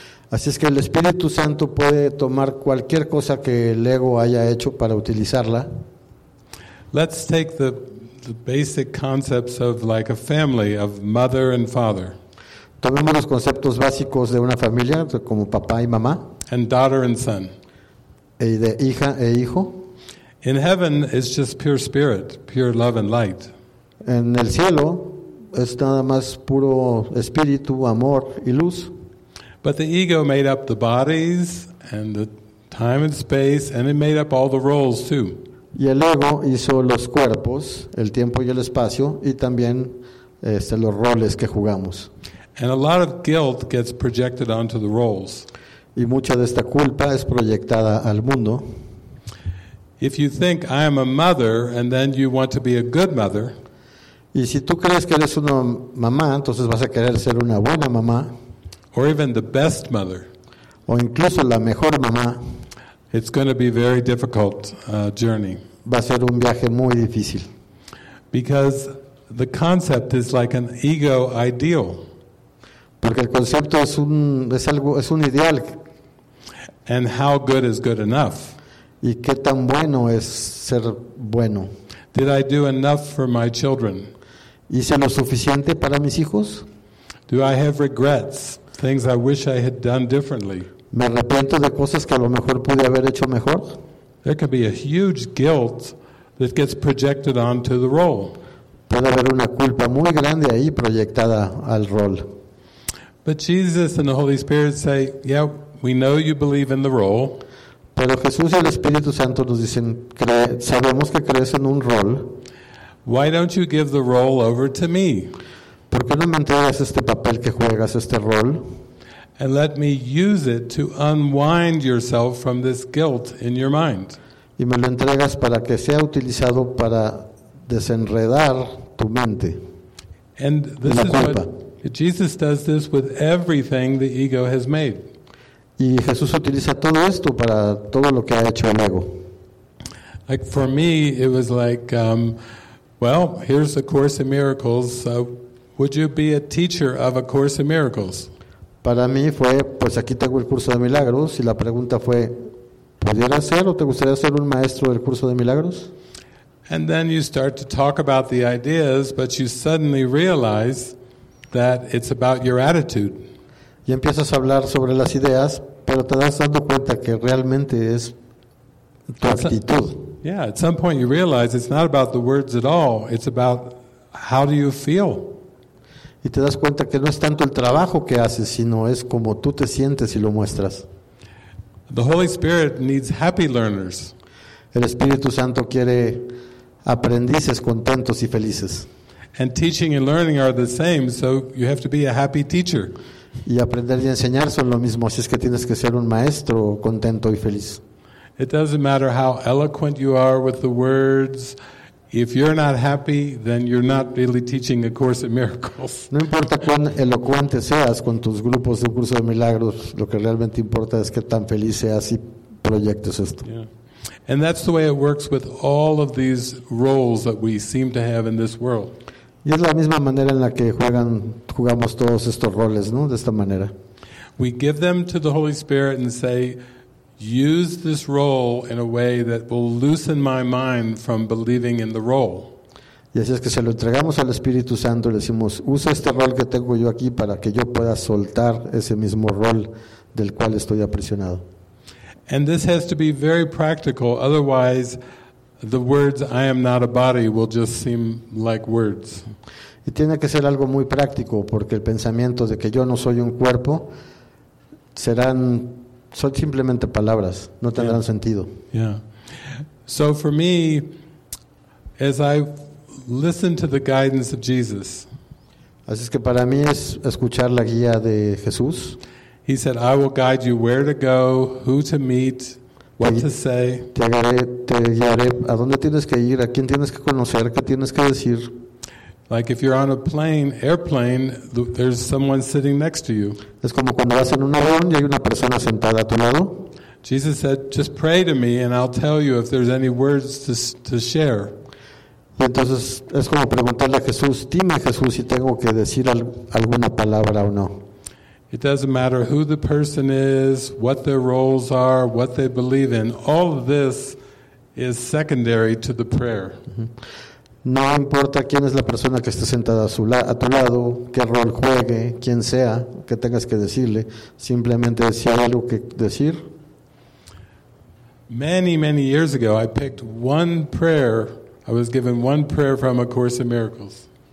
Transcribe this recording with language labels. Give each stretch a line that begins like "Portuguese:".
Spanish: Así es que el Espíritu Santo puede tomar cualquier cosa que el ego haya hecho para utilizarla.
English: Let's take the basic concepts of like a family of mother and father.
Spanish: Tomemos los conceptos básicos de una familia como papá y mamá.
English: And daughter and son.
Spanish: Y de hija e hijo.
English: In heaven it's just pure spirit, pure love and light.
Spanish: En el cielo es nada más puro espíritu, amor y luz.
English: But the ego made up the bodies and the time and space and it made up all the roles too.
Spanish: Y el ego hizo los cuerpos, el tiempo y el espacio, y también los roles que jugamos.
English: And a lot of guilt gets projected onto the roles.
Spanish: Y mucha de esta culpa es proyectada al mundo.
English: If you think I am a mother and then you want to be a good mother.
Spanish: Y si tú crees que eres una mamá, entonces vas a querer ser una buena mamá.
English: Or even the best mother.
Spanish: O incluso la mejor mamá.
English: It's going to be a very difficult journey.
Spanish: Va a ser un viaje muy difícil.
English: Because the concept is like an ego ideal.
Spanish: Porque el concepto es un, es algo, es un ideal.
English: And how good is good enough?
Spanish: ¿Y qué tan bueno es ser bueno?
English: Did I do enough for my children?
Spanish: ¿Hice lo suficiente para mis hijos?
English: Do I have regrets? Things I wish I had done differently.
Spanish: ¿Me arrepiento de cosas que a lo mejor pude haber hecho mejor?
English: There could be a huge guilt that gets projected onto the role.
Spanish: Puede haber una culpa muy grande ahí proyectada al rol.
English: But Jesus and the Holy Spirit say, "Yeah, we know you believe in the role."
Spanish: Pero Jesús y el Espíritu Santo nos dicen, sabemos que crees en un rol.
English: Why don't you give the role over to me?
Spanish: ¿Por qué no me entregas este papel que juegas, este rol?
English: And let me use it to unwind yourself from this guilt in your mind.
Spanish: Y me lo entregas para que sea utilizado para desenredar tu mente.
English: And this is what Jesus does this with everything the ego has made.
Spanish: Y Jesús utiliza todo esto para todo lo que ha hecho el ego.
English: Like for me, it was like, well, here's A Course in Miracles. So would you be a teacher of A Course in Miracles?
Spanish: Para mí fue, pues aquí tengo el curso de milagros, y la pregunta fue, ¿pudiera ser o te gustaría ser un maestro del curso de milagros?
English: And then you start to talk about the ideas, but you suddenly realize that it's about your attitude.
Spanish: Y empiezas a hablar sobre las ideas, pero te das dando cuenta que realmente es tu actitud.
English: Yeah, at some point you realize it's not about the words at all, it's about how do you feel.
Spanish: Y te das cuenta que no es tanto el trabajo que haces, sino es como tú te sientes y lo muestras.
English: The Holy Spirit needs happy learners.
Spanish: El Espíritu Santo quiere aprendices contentos y felices.
English: And teaching and learning are the same, so you have to be a happy teacher.
Spanish: Y aprender y enseñar son lo mismo, así es que tienes que ser un maestro contento y feliz.
English: It doesn't matter how eloquent you are with the words. If you're not happy, then you're not really teaching A Course in Miracles.
Spanish: No importa cuán elocuente seas con tus grupos de un curso de milagros, lo que realmente importa es que tan feliz seas y proyectes esto.
English: Yeah. And that's the way it works with all of these roles that we seem to have in this world.
Spanish: Y es la misma manera en la que jugamos todos estos roles, ¿no? De esta manera.
English: We give them to the Holy Spirit and say, use this role in a way that will loosen my mind from believing in the role.
Spanish: Y así es que se lo entregamos al Espíritu Santo y le decimos, usa este rol que tengo yo aquí para que yo pueda soltar ese mismo rol del cual estoy aprisionado.
English: And this has to be very practical, otherwise the words I am not a body will just seem like words.
Spanish: Y tiene que ser algo muy práctico porque el pensamiento de que yo no soy un cuerpo serán son simplemente palabras, no tendrán sentido.
English: Yeah. So for me, as I listen to the guidance of Jesus.
Spanish: Así es que para mí es escuchar la guía de Jesús.
English: He said, "I will guide you where to go, who to meet, what to say."
Spanish: Te guiaré a dónde tienes que ir, a quién tienes que conocer, qué tienes que decir.
English: Like if you're on a plane, airplane, there's someone sitting next to you.
Spanish: Es como cuando vas en un avión y hay una persona sentada a tu lado.
English: Jesus said, "Just pray to me, and I'll tell you if there's any words to share."
Spanish: Y entonces es como preguntarle a Jesús, dime Jesús si tengo que decir alguna palabra o no.
English: It doesn't matter who the person is, what their roles are, what they believe in. All of this is secondary to the prayer. Mm-hmm.
Spanish: No importa quién es la persona que esté sentada a tu lado, qué rol juegue, quién sea, qué tengas que decirle, simplemente si hay algo que decir.
English: Many, many years ago, I picked one prayer. I was given one prayer from A Course in Miracles.